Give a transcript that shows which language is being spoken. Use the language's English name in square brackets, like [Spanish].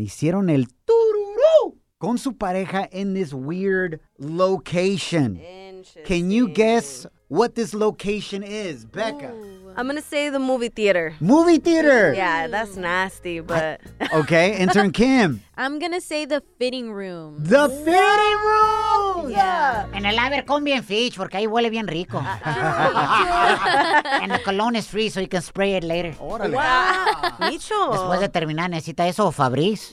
[Spanish] Hicieron el tururu con su pareja [English] in this weird location. Interesting. Can you guess what this location is, Becca? Ooh. I'm going to say the movie theater. Movie theater. Yeah, that's nasty, but. Okay, intern Kim. I'm going to say the fitting room. The fitting room. Yeah. [Spanish] En el Abercrombie and Fitch, porque ahí huele bien rico. [English] And the cologne is free, so you can spray it later. [Spanish] Órale. [English] Wow. Micho. [Spanish] Después de terminar, necesita eso o Fabrice.